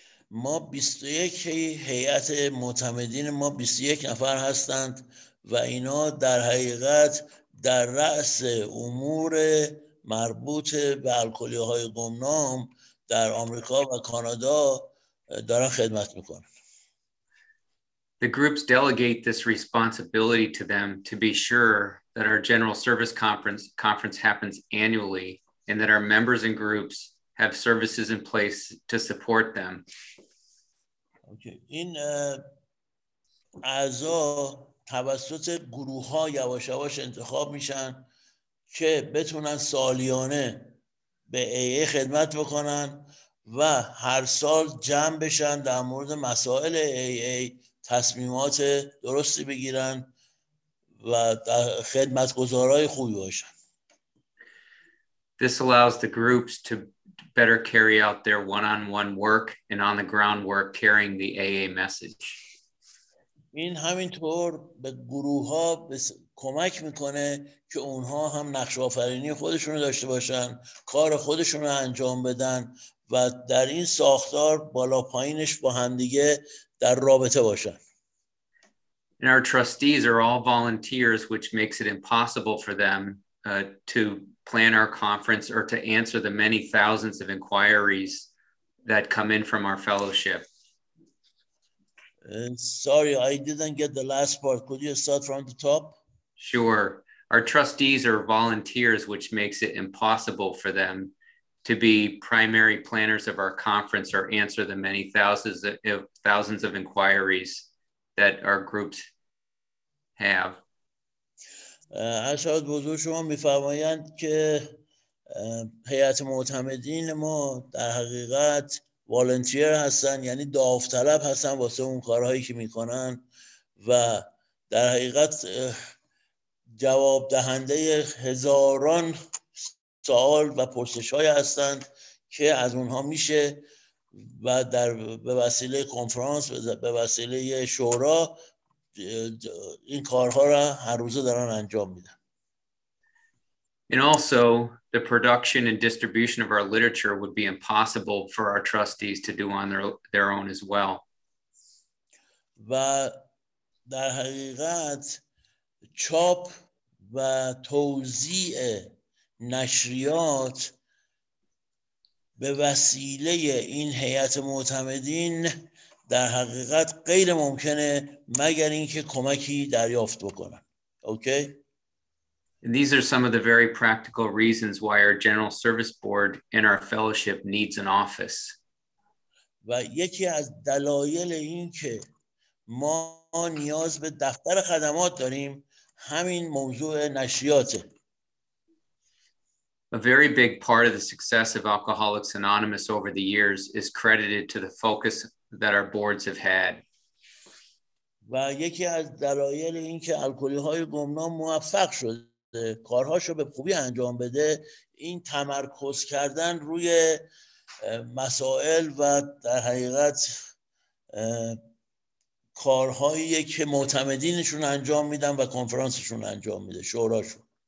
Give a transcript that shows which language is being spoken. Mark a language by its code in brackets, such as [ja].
[fa] ما 21 هیئت معتمدین ما 21 نفر هستند و اینا در حقیقت در رأس امور مربوط به الکلی های گمنام در آمریکا و کانادا دارن خدمت میکنن. [en] The groups delegate this responsibility to them to be sure that our General Service Conference happens annually and that our members and groups have services in place to support them. Okay. [fa] این اعضا توسط گروه ها یواش یواش انتخاب میشن که بتونن سالیانه به AA خدمت بکنن و هر سال جمع بشن در مورد مسائل AA تصمیمات درستی بگیرن و در خدمت گزارای خوبی باشن. [en] This allows the groups to better carry out their one-on-one work and on-the-ground work carrying the AA message. [fa] این همینطور به گروه‌ها کمک می‌کنه که اونها هم نقش آفرینی خودشونو داشته باشن، کار خودشونو انجام بدن و در این ساختار بالا پایینش با هم دیگه در رابطه باشن. [en] And our trustees are all volunteers, which makes it impossible for them to plan our conference or to answer the many thousands of inquiries that come in from our fellowship. Sorry, I didn't get the last part. Could you start from the top? Sure. Our trustees are volunteers, which makes it impossible for them to be primary planners of our conference or answer the many thousands of inquiries that our groups have. [fa] اشهد بزرگ شما میفرمایند که هیئت معتمدین ما در حقیقت والنتیر هستن، یعنی داوطلب هستن واسه اون کارهایی که میکنن و در حقیقت جواب دهنده هزاران سوال و پرسش‌هایی هستند که از اونها میشه و در به وسیله کنفرانس به وسیله شورا این کارها را هر روزه دارن انجام میدن. [en] And also the production and distribution of our literature would be impossible for our trustees to do on their own as well. [fa] و در حقیقت چاپ و توزیع نشریات به وسیله این هیئت معتمدین در حقیقت غیر ممکنه مگر اینکه کمکی دریافت بکنن. [en] Okay? And these are some of the very practical reasons why our General Service Board and our fellowship needs an office. [fa] و یکی از دلایل این که ما نیاز به دفتر خدمات داریم همین موضوع نشریاته. [en] A very big part of the success of Alcoholics Anonymous over the years is credited to the focus that our boards have had. [fa] و یکی از دلایل این که الکلی‌های گمنام موفق شده کارهاشو به خوبی انجام بده این تمرکز کردن روی مسائل و در حقیقت کارهایی که معتمدینشون انجام میدن و کنفرانسشون انجام میده شوراشون.